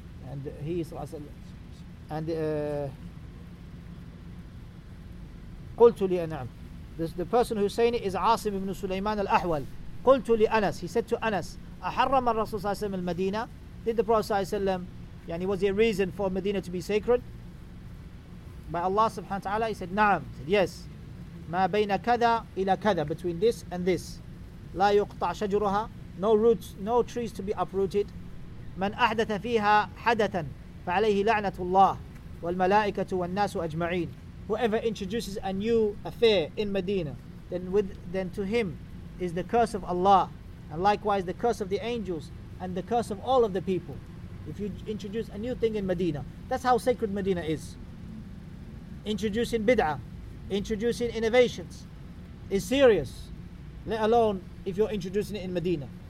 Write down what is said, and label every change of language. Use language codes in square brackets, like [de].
[en] And he [ar] صلى الله عليه وسلم, and قلت لي نعم. [en] The person who's saying it is عاصم بن سليمان الأحول. [ar] قلت لي أنس. [en] He said to Anas, [ar] أحرم الرسول صلى الله عليه وسلم المدينة؟ [en] Did the Prophet صلى الله عليه وسلم, يعني was there a reason for Medina to be sacred? By Allah سبحانه وتعالى, he said نعم. He said yes. [ar] ما بين كذا إلى كذا, [en] between this and this, [ar] لا يقطع شجرها, [en] no roots, no trees to be uprooted. [ar] من أحدث فيها حدثا فعليه لعنة الله والملائكة والناس أجمعين. [en] Whoever introduces a new affair in Medina, then to him is the curse of Allah, and likewise the curse of the angels and the curse of all of the people. If you introduce a new thing in Medina, that's how sacred Medina is. Introducing bid'ah, introducing innovations is serious, let alone if you're introducing it in Medina.